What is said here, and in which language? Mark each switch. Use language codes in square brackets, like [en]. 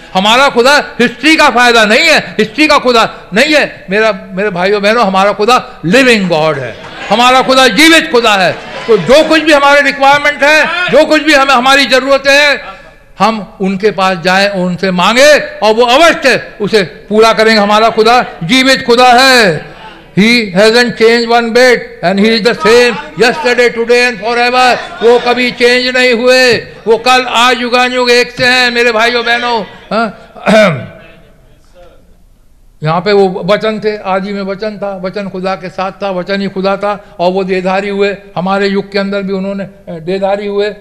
[hi] हमारा खुदा हिस्ट्री का फायदा नहीं है, हिस्ट्री का खुदा नहीं है मेरा, मेरे भाइयों बहनों, हमारा खुदा लिविंग गॉड है, हमारा खुदा जीवित खुदा है। तो जो कुछ भी हमारे रिक्वायरमेंट है, जो कुछ भी हमें हमारी जरूरतें हैं, हम उनके पास जाएं, उनसे मांगे और वो अवश्य उसे पूरा करेंगे। हमारा खुदा जीवित खुदा है। [en] He hasn't changed one bit and he is the same yesterday, today and forever. [hi] वो कभी चेंज नहीं हुए, वो कल आज युगानुयुग एक से हैं मेरे भाइयों बहनों। यहाँ पे वो वचन थे, आदि में वचन था, वचन खुदा के साथ था, वचन ही खुदा था, और वो देहधारी हुए हमारे युग के अंदर भी, उन्होंने देहधारी हुए।